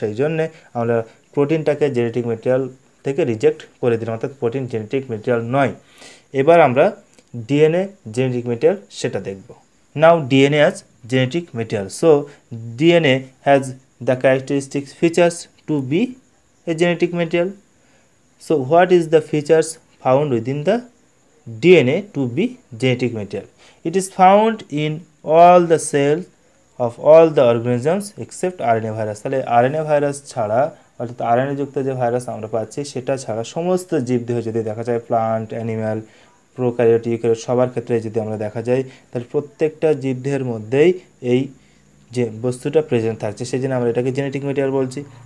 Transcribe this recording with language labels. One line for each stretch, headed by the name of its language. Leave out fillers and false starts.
Bangla: সেই জন্যে আমরা প্রোটিনটাকে জেনেটিক মেটেরিয়াল থেকে রিজেক্ট করে দিলাম, অর্থাৎ প্রোটিন জেনেটিক মেটেরিয়াল নয়। এবার আমরা ডিএনএ জেনেটিক মেটেরিয়াল সেটা দেখব।
English: Now DNA as genetic material, so DNA has the characteristics features to be a genetic material. So what is the features found within the DNA to be genetic material? It is found in all the cells of all the organisms except RNA virus.
Bangla: তাহলে RNA virus ছাড়া, অর্থাৎ RNA যুক্ত যে virus আমরা পাচ্ছি সেটা ছাড়া সমস্ত জীবদেহ যদি দেখা যায়, প্লান্ট, অ্যানিম্যাল, প্রোক্যারিওট, ইউক্যারিওট সবার ক্ষেত্রে যদি আমরা দেখা যাই, তাহলে প্রত্যেকটা জীবদেহের মধ্যেই এই যে বস্তুটা প্রেজেন্ট থাকছে, সেই জন্য আমরা এটাকে জেনেটিক মেটেরিয়াল বলছি।